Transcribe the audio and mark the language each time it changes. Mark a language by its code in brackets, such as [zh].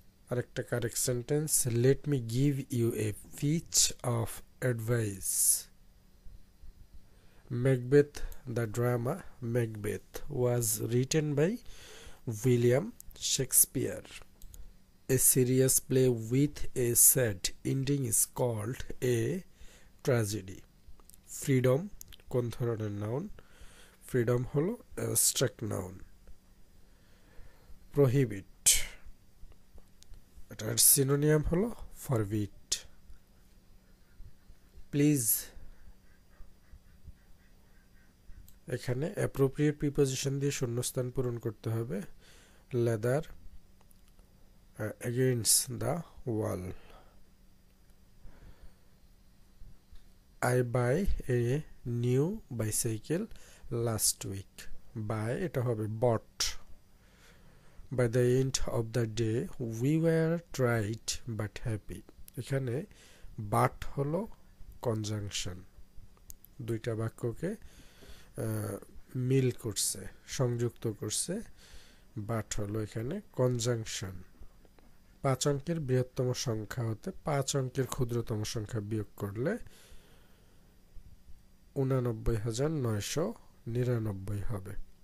[bn] আরেকটা [en] Correct sentence, let me give you a piece of advice. Macbeth, the drama Macbeth was written by William Shakespeare. A serious play with a sad ending is called a tragedy. [bn] Freedom, কোন ধরনের noun? Freedom হলো abstract noun. Prohibit, এটার synonym হলো forbid. Please, এখানে appropriate preposition দিয়ে শূন্যস্থান পূরণ করতে হবে. [en] Leather, against the wall. I buy a new bicycle last week. [bn] Buy, এটা হবে bought. [en] By the end of the day, we were tired but happy. [bn] এখানে but হলো conjunction. দুইটা বাক্যকে মিল করছে, সংযুক্ত করছে. বাট হলো এখানে কনজাংশন. পাঁচ অঙ্কের বৃহত্তম সংখ্যা হতে পাঁচ অঙ্কের ক্ষুদ্রতম সংখ্যা বিয়োগ করলে 89,999 হবে.